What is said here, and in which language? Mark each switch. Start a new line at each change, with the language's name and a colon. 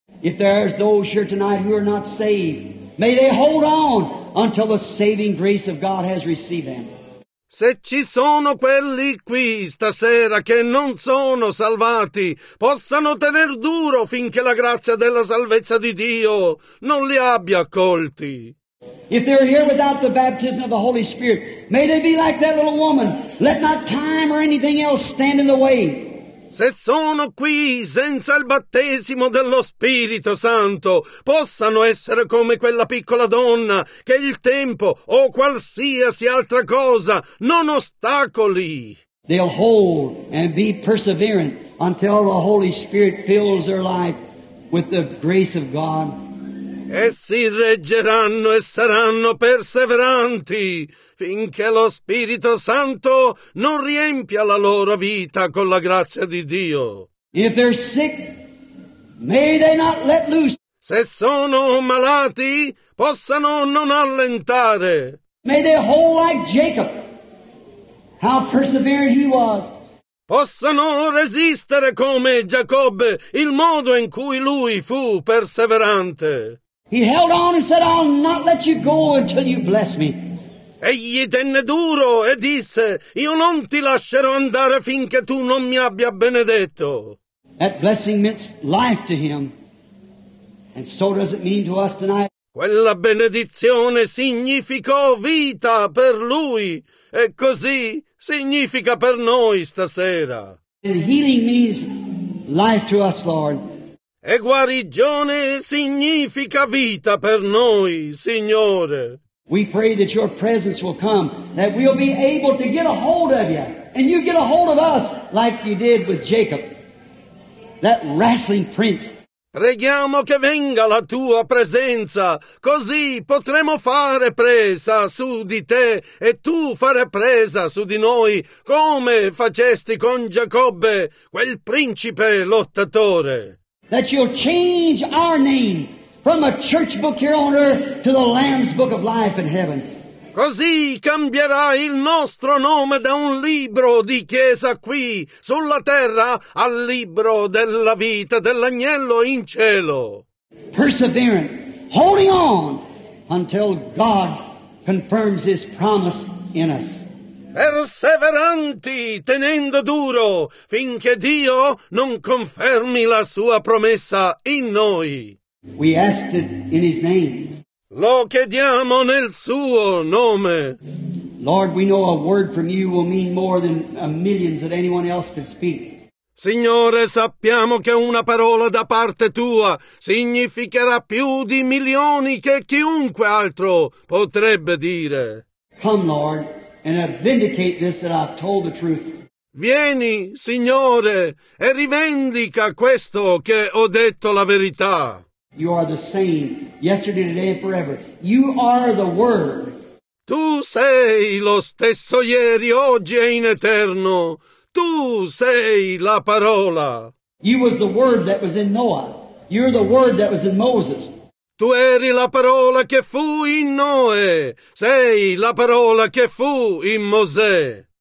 English: If there's those here tonight who are not saved, may they hold on until the saving grace of God has received them.
Italian: Se ci sono quelli qui stasera che non sono salvati, possano tener duro finché la grazia della salvezza di Dio non li abbia accolti.
English: If they're here without the baptism of the Holy Spirit, may they be like that little woman. Let not time or anything else stand in the way.
Italian: Se sono qui senza il battesimo dello Spirito Santo, possano essere come quella piccola donna, che il tempo o qualsiasi altra cosa non ostacoli.
English: They'll hold and be perseverant until the Holy Spirit fills their life with the grace of God.
Italian: Essi reggeranno e saranno perseveranti finché lo Spirito Santo non riempia la loro vita con la grazia di Dio.
English: If they're sick, may they not let loose.
Italian: Se sono malati, possano non allentare.
English: May they hold like Jacob, how persevered he was.
Italian: Possano resistere come Giacobbe, il modo in cui lui fu perseverante.
English: He held on and said, I'll not let you go until you bless me.
Italian: Egli tenne duro e disse, io non ti lascerò andare finché tu non mi abbia benedetto.
English: That blessing meant life to him. And so does it mean to us tonight.
Italian: Quella benedizione significò vita per lui. E così significa per noi stasera.
English: And healing means life to us, Lord.
Italian: E guarigione significa vita per noi, Signore.
English: We pray that your presence will come, that we'll be able to get a hold of you, and you get a hold of us like you did with Jacob, that wrestling prince.
Italian: Preghiamo che venga la tua presenza, così potremo fare presa su di te e tu fare presa su di noi, come facesti con Giacobbe, quel principe lottatore.
English: That you'll change our name from a church book here on earth to the Lamb's book of life in heaven.
Italian: Così cambierà il nostro nome da un libro di chiesa qui sulla terra al libro della vita dell'agnello in cielo.
English: Persevering, holding on until God confirms His promise in us.
Italian: Perseveranti, tenendo duro, finché Dio non confermi la sua promessa in noi.
English: We ask it in His name.
Italian: Lo chiediamo nel suo nome.
English: Lord, we know a word from you will mean more than millions that anyone else could speak.
Italian: Signore, sappiamo che una parola da parte tua significherà più di milioni che chiunque altro potrebbe dire.
English: Come, Lord. And I vindicate this that I've told the truth.
Italian: Vieni, Signore, e rivendica questo che ho detto la verità.
English: You are the same, yesterday, today, and forever. You are the Word.
Italian: Tu sei lo stesso ieri, oggi e in eterno. Tu sei la parola.
English: You was the Word that was in Noah. You're the Word that was in Moses.
Italian: Tu eri la parola che fu in Noè, sei la parola che fu in Mosè.